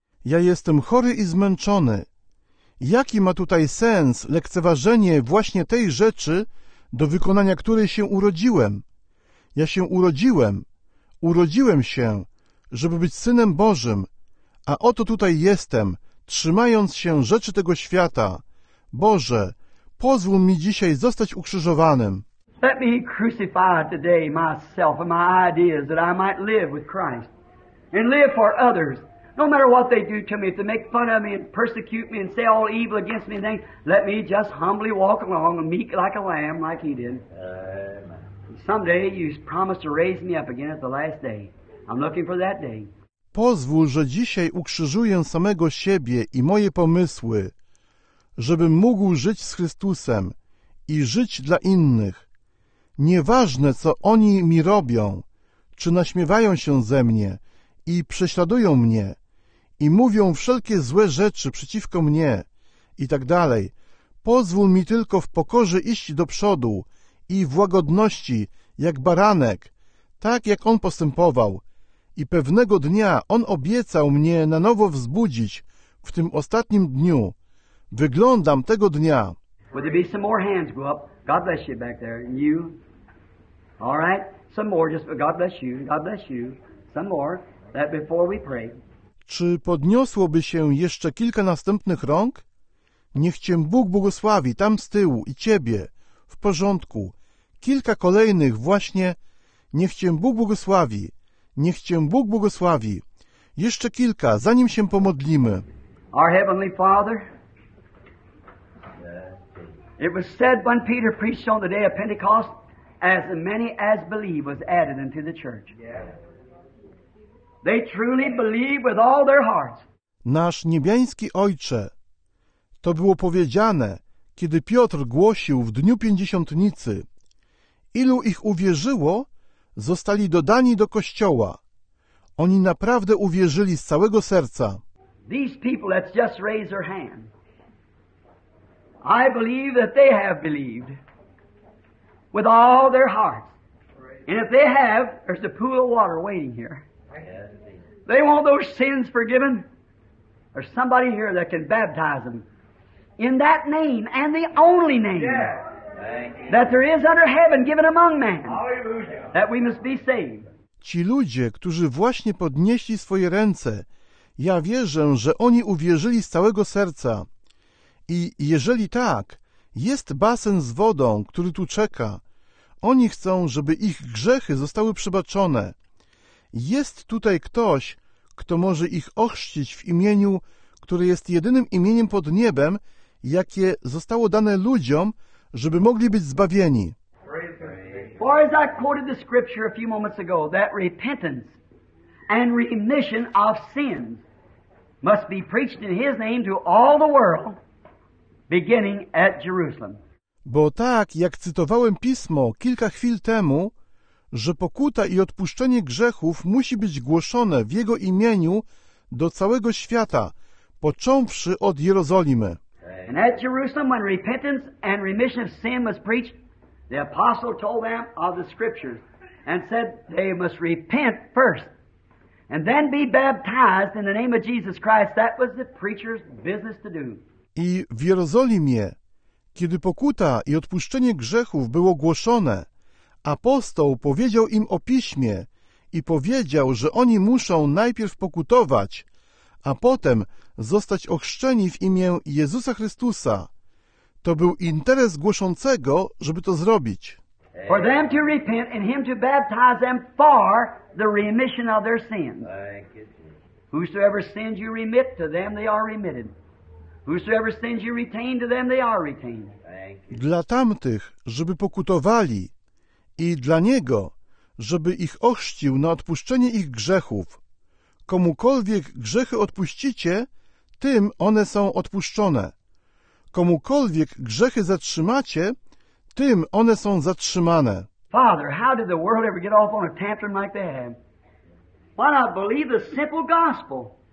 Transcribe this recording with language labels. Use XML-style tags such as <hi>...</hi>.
<pl>Ja jestem chory i zmęczony. Jaki ma tutaj sens lekceważenie właśnie tej rzeczy, do wykonania której się urodziłem? Ja się urodziłem. Urodziłem się, żeby być Synem Bożym, a oto tutaj jestem, trzymając się rzeczy tego świata. Boże, pozwól mi dzisiaj zostać ukrzyżowanym.</pl> <en>Let me crucify today myself and my ideas that I might live with Christ and live for others. No matter what they do to me, if they make fun of me and persecute me and say all evil against me and things, let me just humbly walk along and meek like a lamb like he did. Someday you promised to raise me up again at the last day. I'm looking for that day.</en> <pl>Pozwól, że dzisiaj ukrzyżuję samego siebie i moje pomysły, żebym mógł żyć z Chrystusem i żyć dla innych. Nieważne, co oni mi robią, czy naśmiewają się ze mnie i prześladują mnie i mówią wszelkie złe rzeczy przeciwko mnie i tak dalej. Pozwól mi tylko w pokorze iść do przodu i w łagodności, jak baranek, tak jak on postępował. I pewnego dnia on obiecał mnie na nowo wzbudzić w tym ostatnim dniu. Wyglądam tego dnia.</pl> <en>Would there be some more hands go up? God bless you back there. And you? All right. Some more. Just God bless you. God bless you. Some more. That before we pray.</en> <pl>Czy podniosłoby się jeszcze kilka następnych rąk? Niech cię Bóg błogosławi tam z tyłu i ciebie. W porządku. Kilka kolejnych właśnie. Niech cię Bóg błogosławi. Niech cię Bóg błogosławi. Jeszcze kilka, zanim się pomodlimy.</pl> <en>Our Heavenly Father, it was said when Peter preached on the day of Pentecost, as many as believe was added unto the church. They truly believe with all their hearts.</en> <pl>Nasz niebiański Ojcze, to było powiedziane, kiedy Piotr głosił w dniu Pięćdziesiątnicy. Ilu ich uwierzyło, zostali dodani do Kościoła. Oni naprawdę uwierzyli z całego serca.</pl> <en>These people, let's just raise their hand. I believe that they have believed with all their hearts. And if they have, there's a pool of water waiting here. They want those sins forgiven. There's somebody here that can baptize them in that name and the only name. Yeah. That there is under heaven given among man. Hallelujah. That we must be saved.</en> <pl>Ci ludzie, którzy właśnie podnieśli swoje ręce, ja wierzę, że oni uwierzyli z całego serca. I jeżeli tak, jest basen z wodą, który tu czeka. Oni chcą, żeby ich grzechy zostały przebaczone. Jest tutaj ktoś, kto może ich ochrzcić w imieniu, które jest jedynym imieniem pod niebem, jakie zostało dane ludziom, żeby mogli być zbawieni.</pl> <en>For as I quoted the scripture a few moments ago, that repentance and remission of sins must be preached in his name to all the world, beginning at Jerusalem.</en> <pl>Bo tak, jak cytowałem pismo kilka chwil temu, że pokuta i odpuszczenie grzechów musi być głoszone w jego imieniu do całego świata, począwszy od Jerozolimy.</pl> <en>And at Jerusalem, when repentance and remission of sin was preached, the apostle told them of the scriptures and said they must repent first and then be baptized in the name of Jesus Christ. That was the preacher's business to do.</en> <pl>I w Jerozolimie, kiedy pokuta i odpuszczenie grzechów było głoszone, apostoł powiedział im o piśmie i powiedział, że oni muszą najpierw pokutować, a potem zostać ochrzczeni w imię Jezusa Chrystusa. To był interes głoszącego, żeby to zrobić.</pl> <en>For them to repent and him to baptize them for the remission of their sins. Whosoever sins you remit, to them they are remitted. Whosoever sins you retain, to them they are retained.</en> <pl>Dla tamtych, żeby pokutowali, i dla niego, żeby ich ochrzcił na odpuszczenie ich grzechów. Komukolwiek grzechy odpuścicie, tym one są odpuszczone. Komukolwiek grzechy zatrzymacie, tym one są zatrzymane.</pl> <en>Father, how did the world ever get off on a tantrum like that? Why not believe the simple gospel?</en>